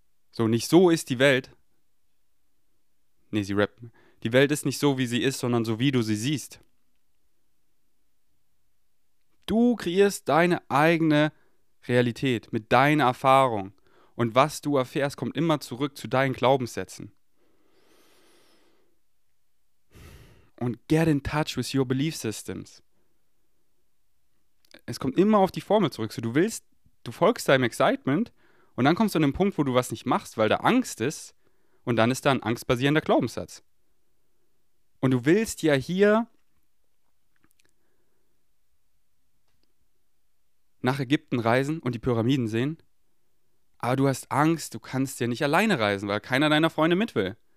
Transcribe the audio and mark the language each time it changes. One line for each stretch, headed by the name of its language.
German: So, nicht so ist die Welt. Nee, sie rappt. Die Welt ist nicht so, wie sie ist, sondern so, wie du sie siehst. Du kreierst deine eigene Realität mit deiner Erfahrung. Und was du erfährst, kommt immer zurück zu deinen Glaubenssätzen.
English: Und get in touch with your belief systems.
German: Es kommt immer auf die Formel zurück. So, du folgst deinem Excitement und dann kommst du an den Punkt, wo du was nicht machst, weil da Angst ist. Und dann ist da ein angstbasierender Glaubenssatz. Und du willst ja hier nach Ägypten reisen und die Pyramiden sehen, aber du hast Angst, du kannst ja nicht alleine reisen, weil keiner deiner Freunde mit will.